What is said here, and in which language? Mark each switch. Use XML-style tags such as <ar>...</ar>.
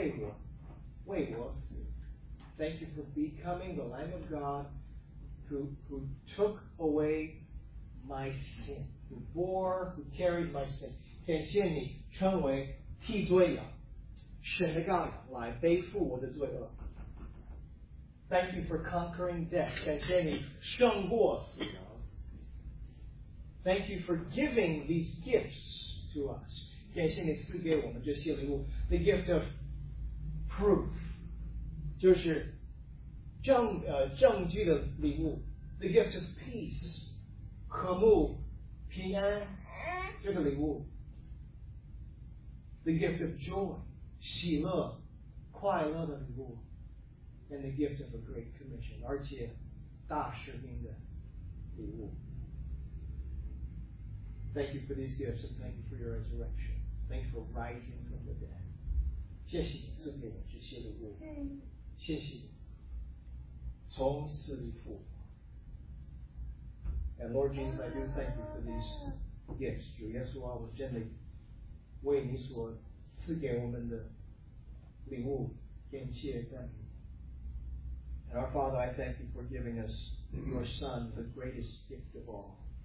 <zh>想鼓励大家在心里说，主耶稣啊，我感谢，为我死。</zh> <en>Thank you for becoming the Lamb of God who took away my sin, who bore, who carried my sin.</en> <zh>感谢你成为替罪羊，神的羔羊来背负我的罪恶。</zh> <en>Thank you for conquering death.</en> <zh>感谢你胜过死亡。</zh> <en>Thank you for giving these gifts to us.</en> <zh>感谢你赐给我们这些礼物。</zh> <en>The gift of proof,</en> <zh>就是证据的礼物。</zh> <en>The gift of peace,</en> <zh>和睦平安这个礼物。</zh> <en>The gift of joy,</en> <zh>喜乐快乐的礼物,</zh> <en>and the gift of a great commission,</en> <zh>而且大使命的礼物.</zh> <en>Thank you for these gifts, and thank you for your resurrection. Thank you for rising from the dead.</en> <zh>谢谢你赐给我这些礼物。谢谢你从死里复活。</zh> <en>And Lord Jesus, I do thank you for these gifts.</en> <zh>主耶稣啊，我真的为你所 赐给我们的礼物，感谢赞美。</zh> <en>And our Father, I thank you for giving us your Son, the greatest gift of all.</en>